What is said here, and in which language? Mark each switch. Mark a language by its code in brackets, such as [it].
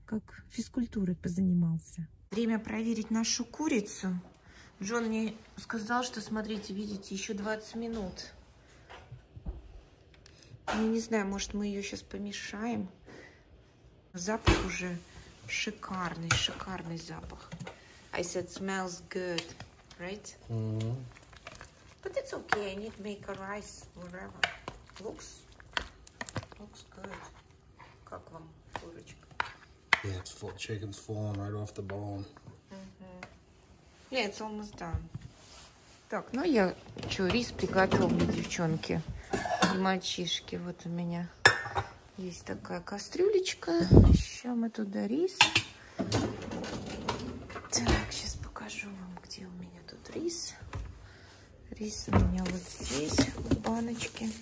[ru] Как физкультурой позанимался. Время проверить нашу курицу. Джон мне сказал, что, смотрите, видите, еще 20 минут. Ну, не знаю, может, мы ее сейчас помешаем. Запах уже шикарный, шикарный запах. [en] I said, smells good, right? Mm-hmm. But it's okay, I need to make a rice, whatever. [ru] Looks good. Как вам курочка? [en] Yeah, it's full, chicken's falling right off the bone. Yeah, it's almost done. [ru] Так, ну я что, рис приготовлю, девчонки и мальчишки. Вот у меня есть такая кастрюлечка. Сейчас мы туда рис. Так, сейчас покажу вам, где у меня тут рис. Рис у меня вот здесь, в баночке.